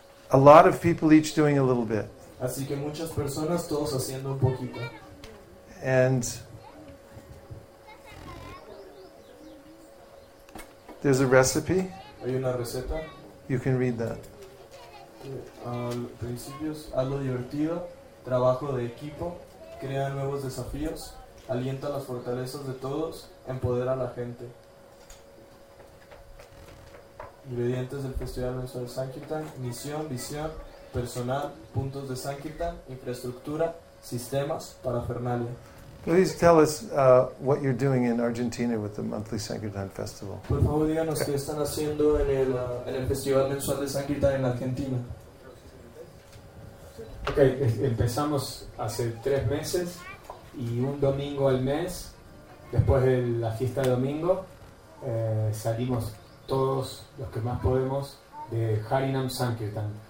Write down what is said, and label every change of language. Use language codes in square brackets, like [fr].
[en] A lot of people each doing a little bit. [es] Así que muchas personas todos haciendo un poquito. [en] And there's a recipe. [es] Hay una receta. [en] You can read that. [es] Principios, algo divertido, trabajo de equipo, crea nuevos desafíos, alienta las fortalezas de todos, empodera a la gente. Ingredientes del Festival Mensual Sankirtan: misión, visión, personal, puntos de Sankirtan, infraestructura, sistemas, parafernalia. [en] Please tell us what you're doing in Argentina with the monthly Sankirtan festival. [es] Por favor, díganos qué están haciendo en el Festival Mensual de Sankirtan en Argentina. Ok, empezamos hace 3 meses y un domingo al mes, después de la fiesta de domingo, salimos todos los que más podemos de Harinam Sankirtan.